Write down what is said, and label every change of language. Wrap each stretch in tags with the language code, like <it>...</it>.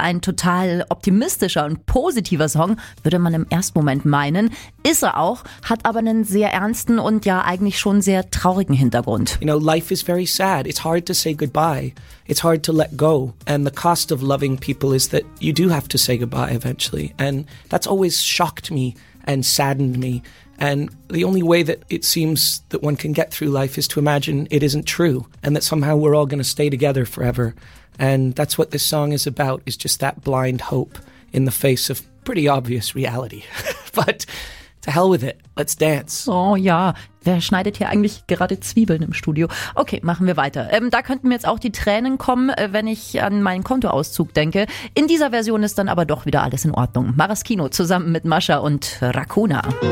<de>Ein total optimistischer und positiver Song, würde man im ersten Moment meinen. Ist er auch, hat aber einen sehr ernsten und ja eigentlich schon sehr traurigen Hintergrund.</de> <en>You know, life is very sad. It's hard to say goodbye. It's hard to let go. And the cost of loving people is that you do have to say goodbye eventually. And that's always shocked me and saddened me. And the only way that it seems that one can get through life is to imagine it isn't true and that somehow we're all going to stay together forever. And that's what this song is about, is just that blind hope in the face of pretty obvious reality. But to hell with it. Let's dance.</en> <de>Oh ja, wer schneidet hier eigentlich gerade Zwiebeln im Studio? Okay, machen wir weiter. Da könnten mir jetzt auch die Tränen kommen, wenn ich an meinen Kontoauszug denke. In dieser Version ist dann aber doch wieder alles in Ordnung. Maraschino zusammen mit Mascha und Racuna.</de>